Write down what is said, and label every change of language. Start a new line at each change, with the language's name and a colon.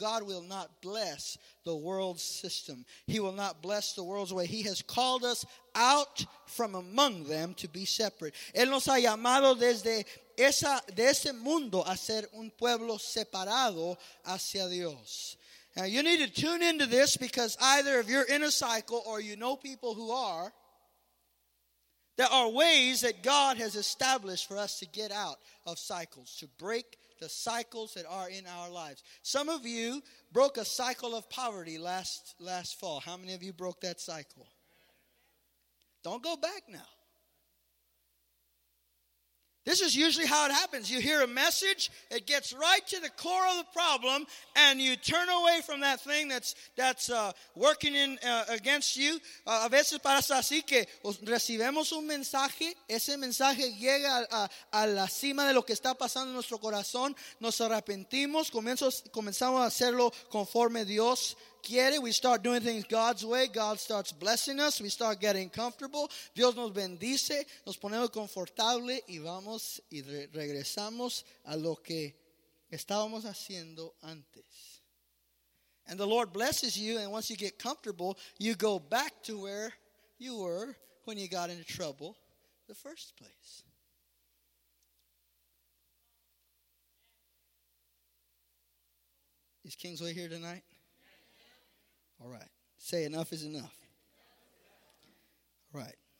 English: God will not bless the world's system. He will not bless the world's way. He has called us out from among them to be separate.
Spanish: Él nos ha llamado desde de ese mundo a ser un pueblo separado hacia Dios.
English: Now you need to tune into this, because either if you're in a cycle or you know people who are, there are ways that God has established for us to get out of cycles, to break the cycles that are in our lives. Some of you broke a cycle of poverty last fall. How many of you broke that cycle? Don't go back now. This is usually how it happens. You hear a message, it gets right to the core of the problem, and you turn away from that thing that's working in against you.
Spanish: A veces pasa así que recibimos un mensaje, ese mensaje llega a la cima de lo que está pasando en nuestro corazón, nos arrepentimos, comenzamos a hacerlo conforme Dios quiere.
English: We start doing things God's way. God starts blessing us. We start getting comfortable.
Spanish: Dios nos bendice. Nos ponemos confortable y vamos y regresamos a lo que estábamos haciendo antes.
English: And the Lord blesses you, and once you get comfortable, you go back to where you were when you got into trouble in the first place. Is Kingsway here tonight? All right. Say enough is enough. All right.